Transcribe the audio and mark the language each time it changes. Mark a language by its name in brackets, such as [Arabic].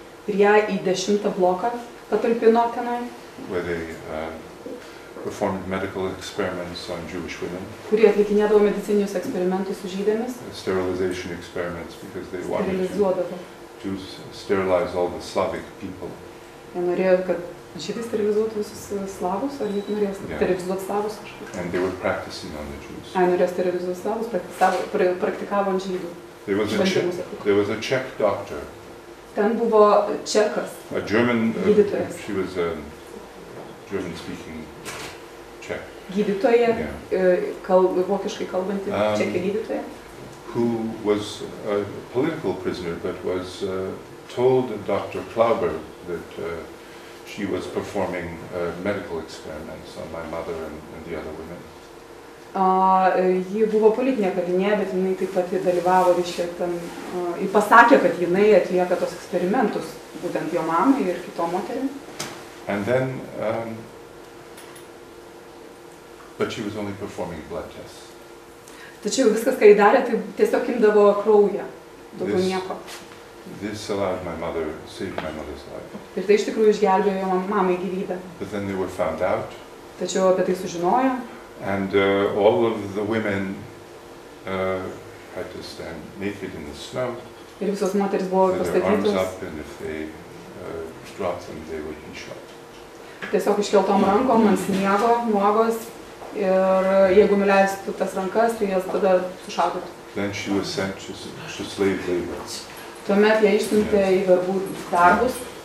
[Lithuanian] Ir ją į 10 bloką patalpino tenai. [English] Where they performed medical experiments on Jewish women. [Lithuanian] Kurie atlikinėdavo medicininius eksperimentus su žydėmis. [English] Sterilization experiments, because they wanted to sterilize all the Slavic people. [Lithuanian] Jie norėjo, kad žydai sterilizuotų visus slavus, ar jie norės sterilizuoti slavus kažkur? [English] And they were practicing on the Jews. [Lithuanian] Ai, norės sterilizuoti slavus, praktikavo ant žydų. [English] There was a Czech doctor. [Lithuanian] Ten buvo Čekas. [English] A German [Lithuanian] gydytojas. [English] She was a German speaking Czech. [Lithuanian] Gydytoja, yeah. Vokiškai kalbanti Čekė gydytoja. [English] Who was a political prisoner but was told Dr. Klauber that she was performing medical experiments on my mother and the other women. [Lithuanian] Ji buvo politinė kalinė, bet jinai taip pat dalyvavo reiškia ten ir pasakė, kad jinai atlieka tos eksperimentus būtent jo mamai ir kitom moterim. [English] And then but she was only performing blood tests. [Lithuanian] Tačiau viskas, ką ji darė, tai tiesiog imdavo kraują, daugiau nieko. [English] This allowed my mother, saved my mother's life. [Lithuanian] Ir tai iš tikrųjų išgelbėjo jo mamai gyvybę. [English] But then they were found out. [Lithuanian] Tačiau apie tai sužinojo. [English] And all of the women had to stand naked in the snow. [Lithuanian] Ir visos moterys buvo pastatytos. [English] Their arms up, and if they dropped them, they would be shot. [Lithuanian] Tiesiog iškeltom rankom ant sniego, nuogos. Ir jeigu nuleistų tas rankas, tai jas tada sušaudytų. [English] Then she was sent to slave labor. [Lithuanian] Tuomet ją išsiuntė į vergų darbus.